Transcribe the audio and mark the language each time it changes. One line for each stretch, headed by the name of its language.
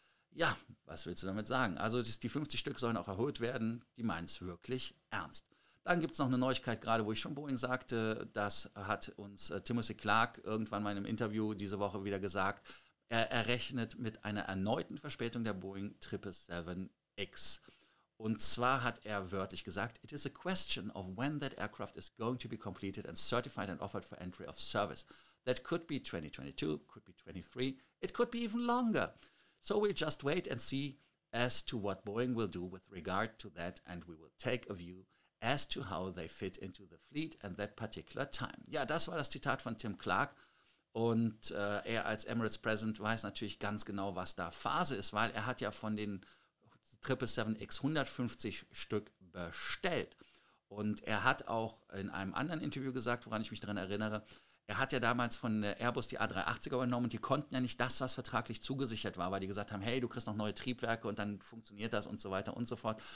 German: Ja, was willst du damit sagen? Also die 50 Stück sollen auch erhöht werden. Die meinen es wirklich ernst. Dann gibt es noch eine Neuigkeit, gerade wo ich schon Boeing sagte, das hat uns Timothy Clark irgendwann mal in einem Interview diese Woche wieder gesagt. Er rechnet mit einer erneuten Verspätung der Boeing 777X. Und zwar hat er wörtlich gesagt,
English: it is a question of when that aircraft is going to be completed and certified and offered for entry of service. That could be 2022, could be 2023, it could be even longer. So we'll just wait and see as to what Boeing will do with regard to that, and we will take a view as to how they fit into the fleet and that particular time.
German: Ja, das war das Zitat von Tim Clark. Und er als Emirates President weiß natürlich ganz genau, was da Phase ist, weil er hat ja von den 777X 150 Stück bestellt. Und er hat auch in einem anderen Interview gesagt, woran ich mich daran erinnere, er hat ja damals von Airbus die A380er übernommen und die konnten ja nicht das, was vertraglich zugesichert war, weil die gesagt haben, hey, du kriegst noch neue Triebwerke und dann funktioniert das und so weiter und so fort.